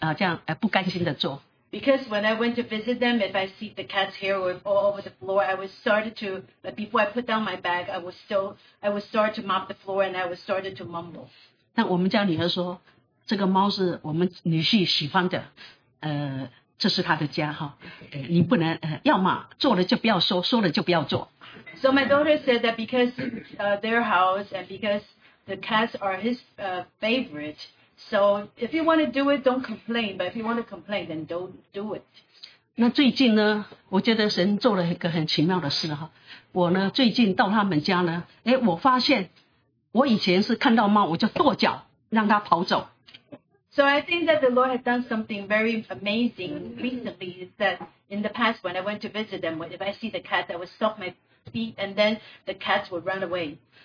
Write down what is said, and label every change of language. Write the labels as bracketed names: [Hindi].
[Chinese] 因为我一到他们家，看到那个地上都是猫毛，我背包没放过，我就开始拖地，就一面色色念哈，就一面这样不甘心的做。 [English] Because when I went to visit them, if I see the cat's hair was all over the floor, I would start to, before I put down my bag, I would start to mop the floor and I would start to mumble. [Chinese] 但我们家女儿说，这个猫是我们女婿喜欢的。这是他的家，你不能，要么做了就不要说，说了就不要做。 [English] So my daughter said that because their house and because the cats are his favorite, so if you want to do it, don't complain, but if you want to complain, then don't do it. [Chinese] 那最近呢，我觉得神做了一个很奇妙的事，我最近到他们家呢，我发现我以前是看到猫我就跺脚，让它跑走。 [English] So I think that the Lord has done something very amazing recently is that in the past when I went to visit them, if I see the cat, I would stop my feet and then the cats would run away.